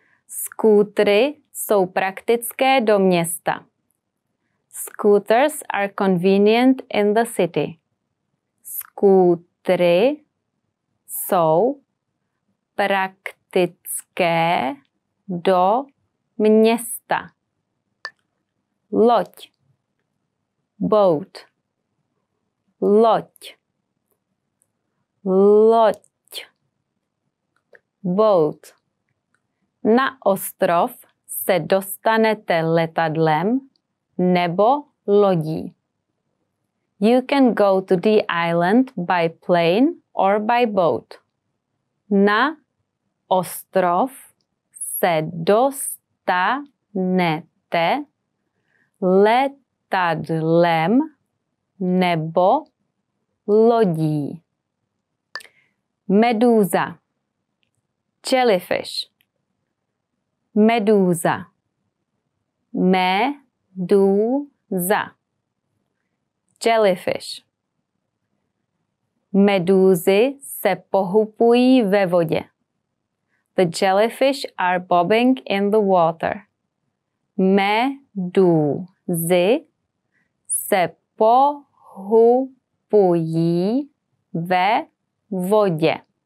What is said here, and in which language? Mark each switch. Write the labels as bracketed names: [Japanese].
[Czech] Skútry jsou praktické do města. [English] Scooters are convenient in the city. [Czech] Skútry jsou praktické do města. Loď. [English] Boat. [Czech] Loď. Loď. [English] Boat. [Czech] Na ostrov se dostanete letadlem nebo lodí. [English] You can go to the island by plane or by boat. [Czech] Na ostrov se dostanete letadlem nebo lodí. Medúza. [English] Jellyfish. [Czech] Medúza. Medúza. [English] Jellyfish. [Czech] Medúzy se pohupují ve vodě. [English] The jellyfish are bobbing in the water. [Czech] Medúzy se pohupují ve vodě.